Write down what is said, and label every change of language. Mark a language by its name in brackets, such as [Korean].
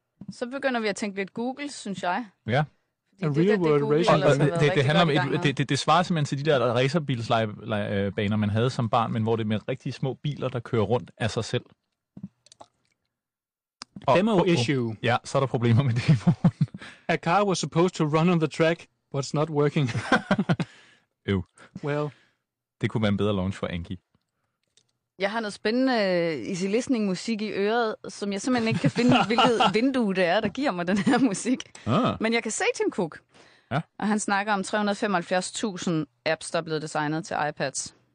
[Danish] Så begynder vi at tænke lidt Google, synes jeg. Ja. [English] A real world racer. [Danish] Det svarer simpelthen til de der racerbilsbaner, man havde som barn, men hvor det er med rigtig små biler, der kører rundt af sig selv. Og, [English] demo issue. [Danish] Ja, så er der problemer med demoen. [English] A car was supposed to run on the track, but it's not working. [Danish] Øv. [English] Well. [Danish] Det kunne være en bedre launch for Anki. Jeg har noget spændende easy listening musik i øret, som jeg simpelthen ikke kan finde, hvilket vindue det er, der giver mig den her musik. Ah. Men jeg kan se Tim Cook, og han snakker om 375.000 apps, der er blevet designet til iPads.